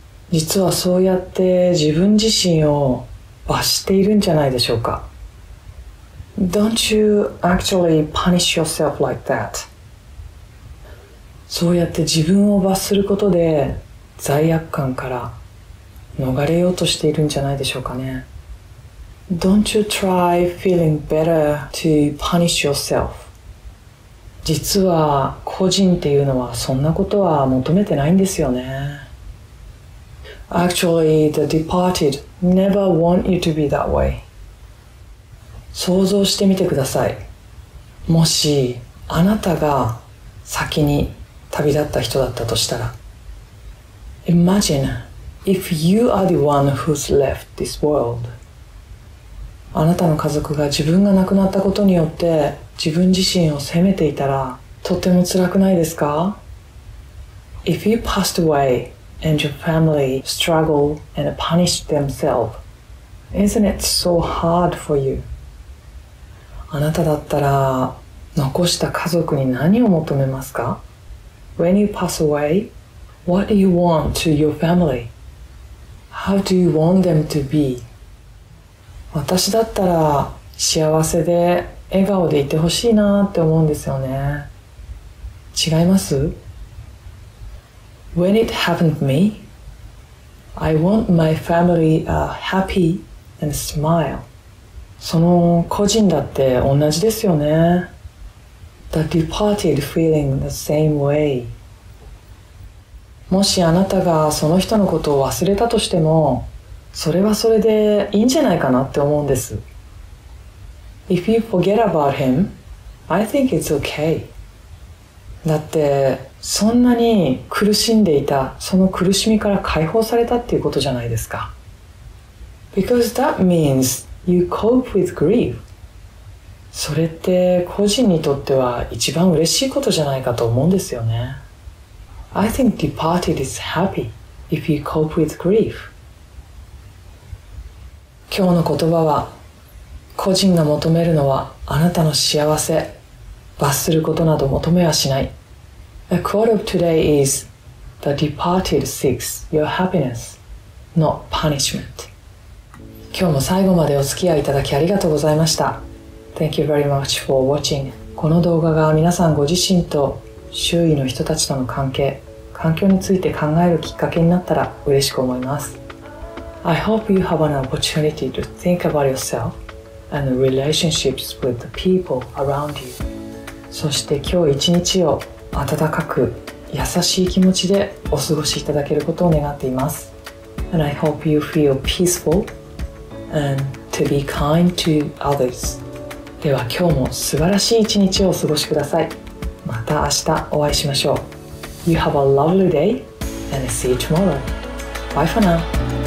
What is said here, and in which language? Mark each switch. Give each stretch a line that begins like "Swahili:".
Japanese: 実はそうやって自分自身を罰しているんじゃないでしょうか。
English: Don't you actually punish yourself like that?
Japanese: そうやって自分を罰することで罪悪感から逃れようとしているんじゃないでしょうかね。
English: Don't you try feeling better to punish yourself?
Japanese: 実は個人っていうのはそんなことは求めてないんですよね。
English: Actually, the departed never want you to be that way.
Japanese: 想像してみてください。もしあなたが先に旅立った人だったとしたら。
English: Imagine if you are the one who's left this world.
Japanese: あなたの家族が自分が亡くなったことによって自分自身を責めていたら、とても辛くないですか？
English: If you passed away and your family struggled and punished themselves, isn't it so hard for you?
Japanese: あなただったら残した家族に何を求めますか？
English: When you pass away,What do you want to your family? How do you want them to be?
Japanese: 私だったら幸せで笑顔でいてほしいなって思うんですよね。違います?
English: When it happened to me, I want my family a happy and smile.
Japanese: その個人だって同じですよね。
English: The departed feeling the same way.
Japanese: もしあなたがその人のことを忘れたとしても、それはそれでいいんじゃないかなって思うんです。
English: If you forget about him, I think it's okay.
Japanese: だって、そんなに苦しんでいた、その苦しみから解放されたっていうことじゃないですか。
English: Because that means you cope with grief.
Japanese: それって個人にとっては一番嬉しいことじゃないかと思うんですよね。
English: I think departed is happy if you cope with grief.
Japanese: 今日の言葉は、個人が求めるのはあなたの幸せ。罰することなど求めはしない。
English: A quote of today is, The departed seeks your happiness, not punishment.
Japanese: 今日も最後までお付き合いいただきありがとうございました。
English: Thank you very much for watching.
Japanese: この動画が皆さんご自身と周囲の人たちとの関係、環境について考えるきっかけになったら嬉しく思います。
English: I hope you have an opportunity to think about yourself and the relationships with the people around you.
Japanese: そして今日一日を温かく優しい気持ちでお過ごしいただけることを願っています。
English: And I hope you feel peaceful and to be kind to others.
Japanese: では今日も素晴らしい一日をお過ごしください。また明日お会いしましょう。
English: You have a lovely day and see you tomorrow. Bye for now.